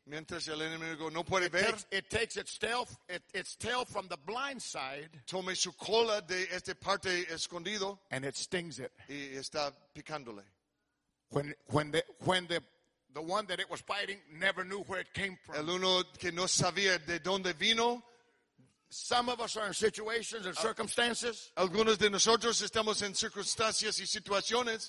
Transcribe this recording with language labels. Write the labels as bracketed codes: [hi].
[es] Mientras el enemigo no puede ver. [en] It takes its tail from the blind side. [es] Toma su cola de esta parte escondido. [en] And it stings it. [es] Y está picándole. [en] When the one that it was fighting never knew where it came from. [es] El uno que no sabía de dónde vino, [en] Some of us are in situations and circumstances. [es] Algunos de nosotros estamos en circunstancias y situaciones.